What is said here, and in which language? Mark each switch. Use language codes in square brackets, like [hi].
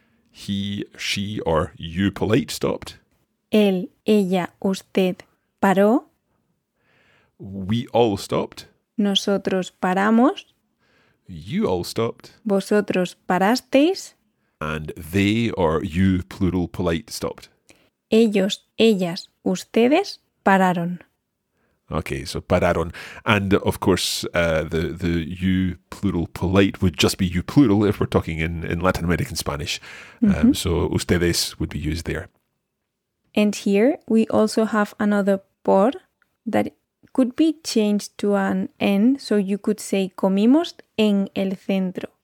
[en] He, she, or you polite stopped. [es] Él, ella, usted paró. [en] We all stopped. [es] Nosotros paramos. [en] You all stopped. [es] Vosotros parasteis. [en] And they or you, plural, polite, stopped. [es] Ellos, ellas, ustedes pararon. [en] Okay, so pararon. And of course, the you, plural, polite would just be you, plural, if we're talking in Latin American Spanish. Mm-hmm. So ustedes would be used there. And here we also have another por that could be changed to an N, so you could say [es] comimos en el centro.